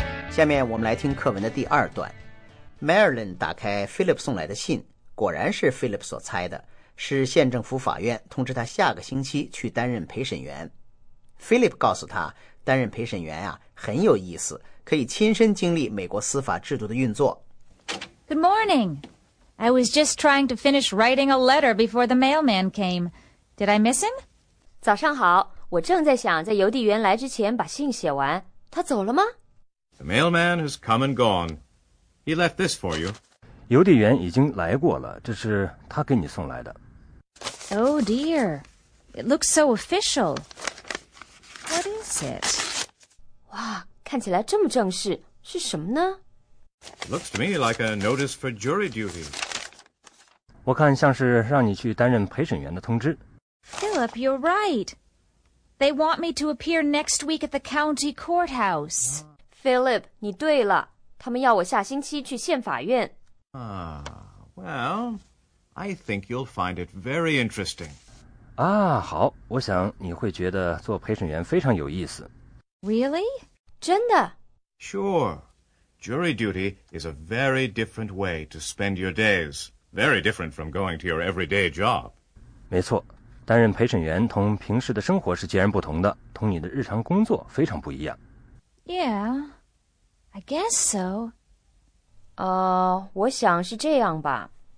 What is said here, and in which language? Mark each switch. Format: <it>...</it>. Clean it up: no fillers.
<zh>下面我们来听课文的第二段。Marilyn 打开 Philip 送来的信，果然是 Philip 所猜的，是县政府法院通知他下个星期去担任陪审员。 Philip 告诉他，担任陪审员啊很有意思，可以亲身经历美国司法制度的运作。</zh> <en>Good morning. I was just trying to finish writing a letter before the mailman came. Did I miss him?</en> <zh>早上好，我正在想在邮递员来之前把信写完，他走了吗？</zh> <en>The mailman has come and gone. He left this for you.</en> <zh>邮递员已经来过了，这是他给你送来的。</zh> <en>Oh dear, it looks so official. What is it?</en> <zh>哇，看起来这么正式，是什么呢？</zh> <en>Looks to me like a notice for jury duty.</en> <zh>我看像是让你去担任陪审员的通知。</zh> <en>Philip, you're right. They want me to appear next week at the county courthouse.</en> <zh>Philip, 你对了，他们要我下星期去县法院。</zh> <en>Well, I think you'll find it very interesting.</en> <zh>啊，好，我想你会觉得做陪审员非常有意思。</zh> <en>Really?</en> <zh>真的？</zh> <en>Sure. Jury duty is a very different way to spend your days. Very different from going to your everyday job.</en> <zh>没错，担任陪审员同平时的生活是截然不同的，同你的日常工作非常不一样。</zh> <en>Yeah, I guess so.</en> <zh>我想是这样吧。</zh>